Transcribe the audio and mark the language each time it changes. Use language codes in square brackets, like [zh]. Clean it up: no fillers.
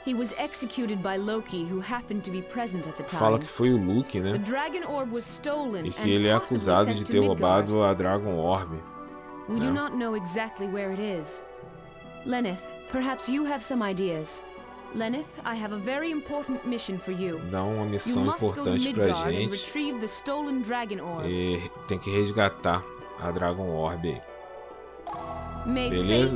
[en] He was executed by Loki, who happened to be present at the time. [pt] Fala que foi o Loki, né? [en] The Dragon Orb was stolen and [pt] E que ele é acusado de ter roubado a Dragon Orb. Né? [en] We do not know exactly where it is. Lenith, perhaps you have some ideas. Lenith, I have a very important mission for you. [pt] Dá uma missão importante pra gente. [en] You must go to Midgard and retrieve the stolen Dragon Orb. [pt] E tem que resgatar a Dragon Orb. Beleza?